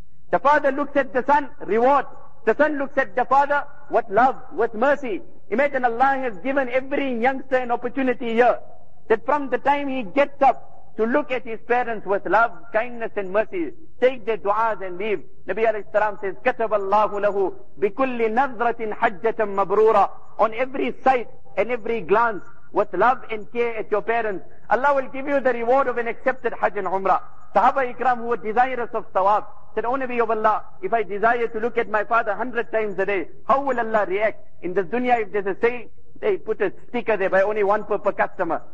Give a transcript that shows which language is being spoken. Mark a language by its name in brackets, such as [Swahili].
[English] The father looks at the son, reward. The son looks at the father, what love, what mercy. Imagine Allah has given every youngster an opportunity here, that from the time he gets up to look at his parents with love, kindness and mercy, take their du'as and leave. Nabi alayhi salam says, [Arabic] كَتَبَ اللَّهُ لَهُ بِكُلِّ نَظْرَةٍ حَجَّةً مَبْرُورًا. [English] On every sight and every glance, with love and care at your parents, Allah will give you the reward of an accepted Hajj and Umrah. Sahaba ikram, who were desirous of tawaf, said, O Nabi of Allah, if I desire to look at my father 100 times a day, how will Allah react? In this dunya, if there's a sale, they put a sticker there by only one per customer.